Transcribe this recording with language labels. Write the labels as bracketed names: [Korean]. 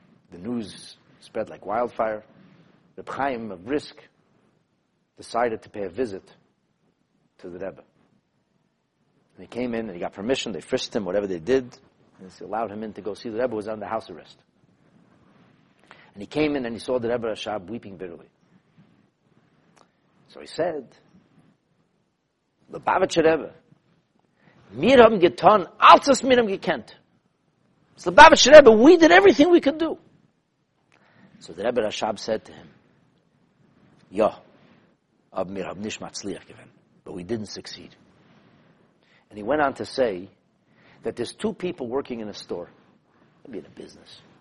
[English] The news spread like wildfire. Reb Chaim of Brisk decided to pay a visit to the Rebbe. And he came in and he got permission. They frisked him, whatever they did. And they allowed him in to go see the Rebbe, who was under house arrest. And he came in and he saw the Rebbe Rashab weeping bitterly. So he said, [Yiddish] Lubavitcher Rebbe, mir haben getan, als es mir haben gekannt. [English] So Lubavitcher Rebbe, we did everything we could do. So the Rebbe Rashab said to him, [Yiddish] ja, aber mir haben nicht matzliach gewen, [English] but we didn't succeed. And he went on to say that there's two people working in a store, maybe in a business.